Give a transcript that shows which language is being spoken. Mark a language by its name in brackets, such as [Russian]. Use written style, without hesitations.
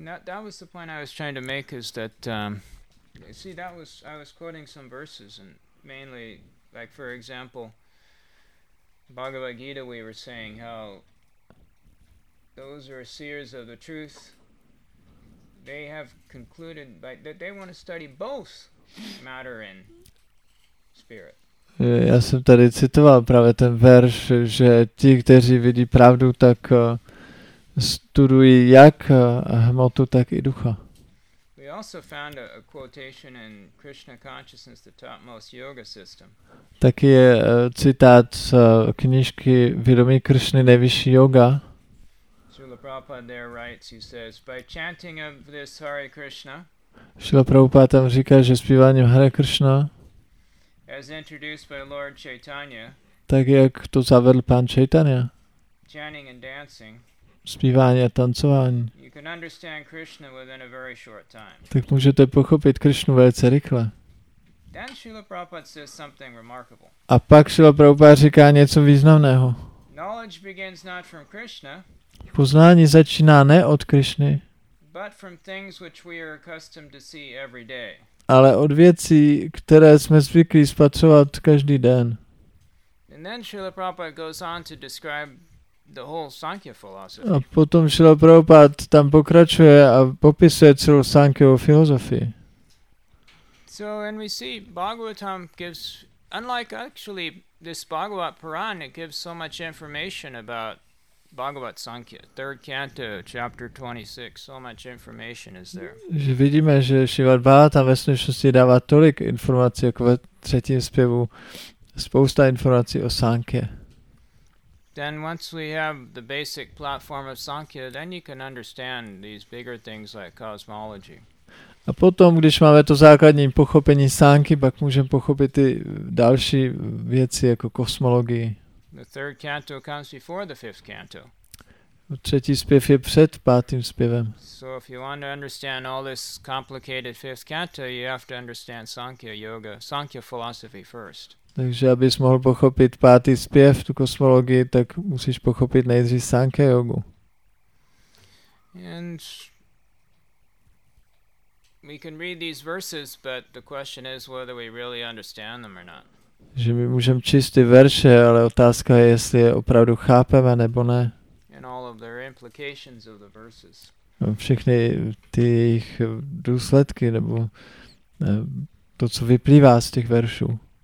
[English] That was the point I was trying to make, is that, see, that was, I was quoting some verses, and mainly, like, for example, Bhagavad Gita, we were saying how those who are seers of the truth, they have concluded by, that they want to study both matter and spirit. [Czech] Já jsem tady citoval právě ten verš, že ti, kteří vidí pravdu, tak studují jak hmotu, tak i ducha. [English] We also found a quotation in Krishna Consciousness, the topmost yoga system. [Czech] Taky je citát z knížky Vědomí Kršny, nejvyšší yoga. [English] Srila Prabhupada there writes, he says, by chanting of this Hare Krishna, [Czech] Srila Prabhupada tam říká, že zpíváním Hare Krishna, [English] as introduced by Lord Chaitanya, [Czech] tak jak to zavedl pán Chaitanya, [English] chanting and dancing, [Czech] zpívání a tancování, [English] you can understand Krishna within a very short time. [Czech] Tak můžete pochopit Krishnu velice rychle. [English] Then Srila Prabhupada says something remarkable. [Czech] A pak Srila Prabhupada říká něco významného. [English] Knowledge begins not from Krishna, [Czech] poznání začíná ne od Krishny, [English] but from things which we are accustomed to see every day. [Czech] Ale od věcí, které jsme zvyklí spatřovat každý den. [English] And then Srila Prabhupada goes on to describe the whole Sankhya philosophy. [Czech] A potom Srila Prabhupada tam pokračuje a popisuje celou Sankhyovou filozofii. [English] So, and we see Bhagavatam gives, unlike actually this Bhagavat Puran, it gives so much information about Bhagavat Sankhya, third canto, chapter 26, so much information is there. [Czech] Že vidíme, že Srimad Bhagavatam ve skutečnosti dává tolik informací jako ve třetím zpěvu, spousta informací o Sankhya. [English] Then once we have the basic platform of Sankhya, then you can understand these bigger things like cosmology. [Czech] A potom, když máme to základní pochopení Sankhy, pak můžeme pochopit i další věci jako kosmologii. [English] The third canto comes before the fifth canto. [Czech] Třetí zpěv je před pátým zpěvem. [English] So if you want to understand all this complicated fifth canto, you have to understand Sankhya yoga, Sankhya philosophy first. [Czech] Takže abys mohl pochopit pátý zpěv, tu kosmologii, tak musíš pochopit nejdřív Sankhya yogu. [English] We can read these verses, but the question is whether we really understand them or not. [Czech] Že my můžeme číst ty verše, ale otázka je, jestli je opravdu chápeme nebo ne. [English] And all of their implications of the verses. [Czech] Všechny ty jejich důsledky nebo to, co vyplývá z těch veršů.